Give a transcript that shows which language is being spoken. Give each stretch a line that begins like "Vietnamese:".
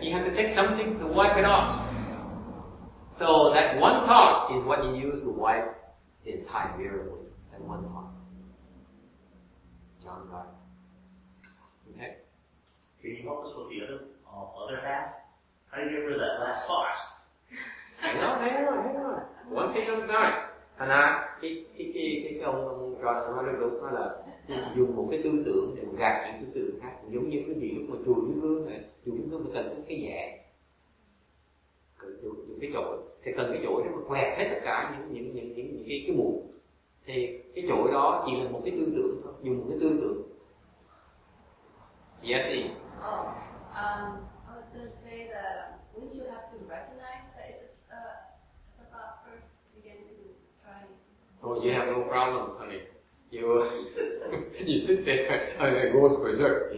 English: You have to take something to wipe it off. So that one thought is what you use to wipe the entire mirror with. That one thought. John got it. Okay? Can you help us with the other half? How do you get rid of that last thought? Hang on. One thing at a time.
Vietnamese: Thành ra, cái ông trò này nói đúng đó là dùng một cái tư tưởng để gạt những tư tưởng khác. Giống như cái gì lúc mà chùi cái gương này, chùi cái gương mà cần cái nhẹ. Cần cái chổi. Thì cần cái chổi để mà quẹt hết tất cả những cái bụi. Thì cái chổi đó chỉ là một cái tư tưởng thôi. Dùng một cái tư tưởng.
English: Yes,
Vietnamese: Ian.
English: I was going to say that wouldn't you have to recognize that it's a thought first to begin to try Oh, you have no problem, honey. You sit there and it goes berserk.